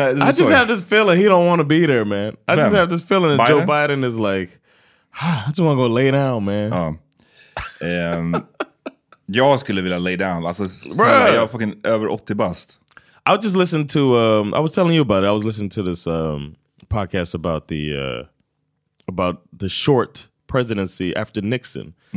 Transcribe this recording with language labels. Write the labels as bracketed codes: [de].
[en] I just have this feeling he don't want to be there, man. Just have this feeling that Joe Biden is like, I just want to go lay down, man. [sv] jag skulle vilja [en] lay down. [sv] Alltså, snälla, jag är fucking över 80 bast. [en] I was just listening to, I was telling you about it. I was listening to this podcast about the short presidency after Nixon.